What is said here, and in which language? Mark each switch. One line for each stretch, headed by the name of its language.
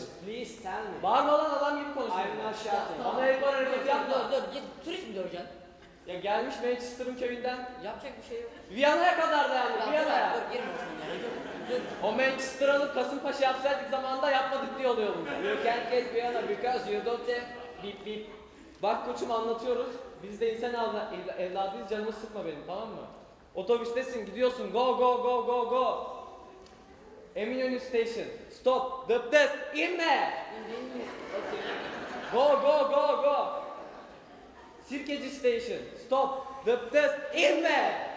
English: Yes, please tell me.
Turkish: Bağırma lan, adam gibi konuşuyor.
English: I'm not shouting.
Turkish: Ama el var, hareket yapma. Dur. Git, turist mi diyor hocam? Ya gelmiş Manchester'ın köyünden. Yapacak bir şey yok. Viyana'ya kadar da yani, Viyana'ya. Dur, girme şimdi ya. O Manchester alıp Kasımpaşa yapsaydık zamanında yapmadık diye oluyor bunlar.
English: You can't get Viyana because you don't have beep beep.
Turkish: Bak koçum, anlatıyoruz. Biz de insan evladıyız, canımı sıkma benim, tamam mı? Otobüstesin, gidiyorsun. Go. Eminönü Station. Stop. Dıptıs. İnme. Go. Sirkeci Station. Stop. Dıptıs. İnme.